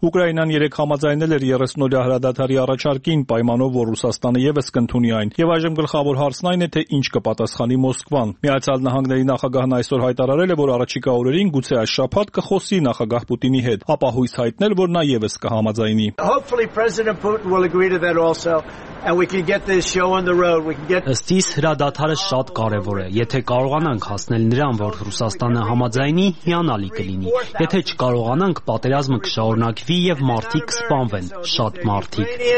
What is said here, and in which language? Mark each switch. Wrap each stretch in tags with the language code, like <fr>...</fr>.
<hy>Ուկրաինան երեկ համաձայնել էր 30-օրյա հրադադարի առաջարկին, պայմանով, որ Ռուսաստանը ևս կընդունի այն, եւ այժմ գլխավոր հարցն այն է, թե ինչ կպատասխանի Մոսկվան։ Միացյալ Նահանգների նախագահն այսօր հայտարարել է, որ առաջիկա օրերին գուցե այս շաբաթ կխոսի նախագահ Պուտինի հետ, ապա հույս հայտնել, որ նա ևս կհամաձայնի։</hy> <en>Hopefully President Putin will agree to that also. And we can get this show on the road. We can get</en> <hy>Ըստիս հրադադարը շատ կարևոր է։ Եթե կարողանանք հասնել նրան, որ Ռուսաստանը համաձայնի, հիանալի կլինի։ Եթե չկարողանանք, պատերազմը կշարունակվի եւ մարդիկ կսպանվեն, շատ մարդիկ։</hy>